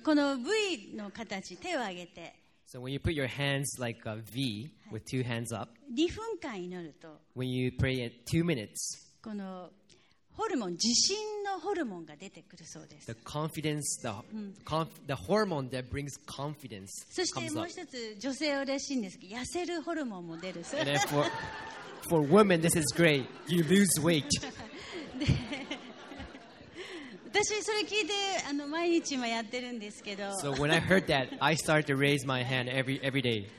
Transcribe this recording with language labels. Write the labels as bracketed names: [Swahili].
[Japanese] この V の形、手を挙げて。 [English] So when you put your hands like a V with two hands up, [Japanese] 2分間祈ると。 [English] When you pray at 2 minutes, [Japanese] このホルモン、自信のホルモンが出てくるそうです。 [English] The confidence, the hormone that brings confidence. [Japanese] そしてもう一つ、女性嬉しいんですけど、痩せるホルモンも出るそうです。 [English] For women, this is great. You lose weight. [Japanese] 私それ聞いて毎日もやってるんですけど。 [English] So when I heard that, I started to raise my hand every day.